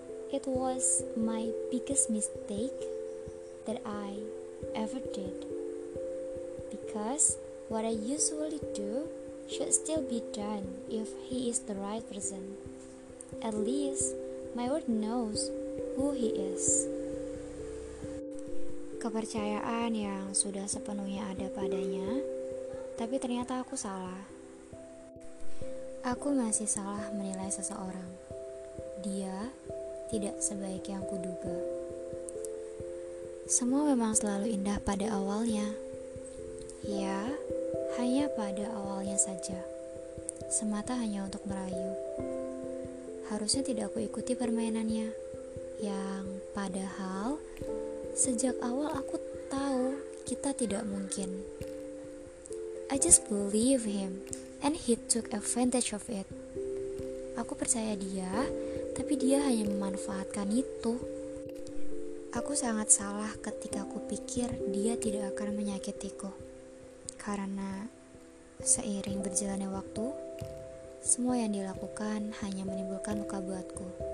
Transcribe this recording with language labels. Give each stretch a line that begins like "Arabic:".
English: It was my biggest mistake that I ever did, because what I usually do should still be done if he is the right person. At least my world knows who he is.
Indonesian: Kepercayaan yang sudah sepenuhnya ada padanya, tapi ternyata aku salah. Aku masih salah menilai seseorang. Dia tidak sebaik yang kuduga. Semua memang selalu indah pada awalnya. Ya, hanya pada awalnya saja. Semata hanya untuk merayu. Harusnya tidak aku ikuti permainannya. Yang padahal, sejak awal aku tahu kita tidak mungkin.
English: I just believe him, and he took advantage of it.
Indonesian: Aku percaya dia, tapi dia hanya memanfaatkan itu. Aku sangat salah ketika aku pikir dia tidak akan menyakitiku. Karena seiring berjalannya waktu, semua yang dilakukan hanya menimbulkan luka buatku.